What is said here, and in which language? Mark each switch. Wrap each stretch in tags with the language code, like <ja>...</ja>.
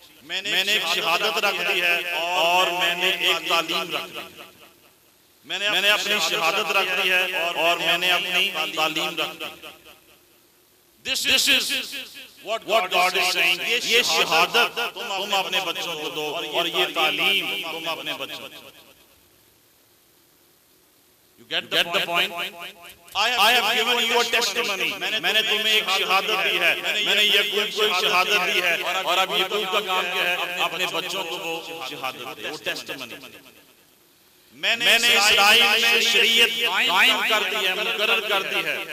<hi>मैंने एक शहादत रख दी है और मैंने एक तालीम रख दी है। मैंने अपनी शहादत रख दी है और मैंने अपनी तालीम रख दी।</hi> <en>This is what God is saying.</en> <hi>ये शहादत तुम अपने बच्चों को दो और ये तालीम तुम अपने बच्चों को।</hi> <en>You get the point? I have given you a testimony.</en> <hi>मैंने तुम्हें एक शहादत दी है। मैंने ये कोई शहादत दी है और अब ये कोई का काम क्या है? अपने बच्चों को वो शहादत दे, वो testimony। मैंने इस्राएल में शरीयत कायम कर दी है, मुकरर कर दी है।</hi>